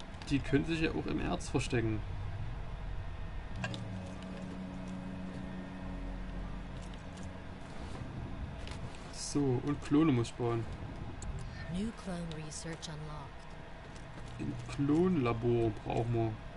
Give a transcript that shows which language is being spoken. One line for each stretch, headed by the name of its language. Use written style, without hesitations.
German: Die können sich ja auch im Erz verstecken. So, und Klone muss ich bauen.
English: New clone research unlocked.
German: Ein Klonlabor brauchen wir.